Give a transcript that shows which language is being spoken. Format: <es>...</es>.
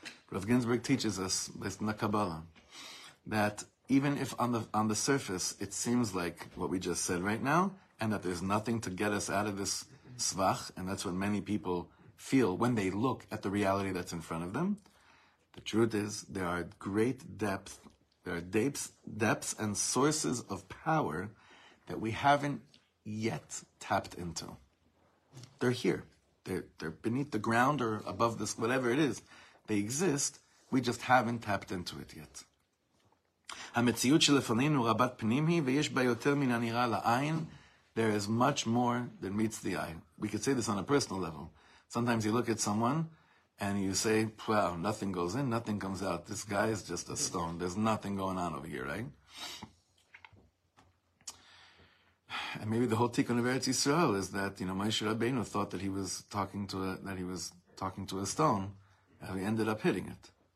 <en>Rav Ginsburg teaches us, based on the Kabbalah, that even if on the surface it seems like what we just said right now, and that there's nothing to get us out of this svach, and that's what many people feel when they look at the reality that's in front of them, the truth is there are great depth, there are depths and sources of power that we haven't yet tapped into. They're here. They're beneath the ground or above this, whatever it is. They exist. We just haven't tapped into it yet.</en> <he>המציאות שלפנינו רבת פנים היא ויש בה יותר מן הנראה לעין.</he> <en>There is much more than meets the eye. We could say this on a personal level. Sometimes you look at someone and you say, wow, nothing goes in, nothing comes out. This guy is just a stone. There's nothing going on over here, right? And maybe the whole tikkun of Eretz Yisrael is that, you know, Moshe Rabbeinu thought that he was talking to a stone, and he ended up hitting it.</en>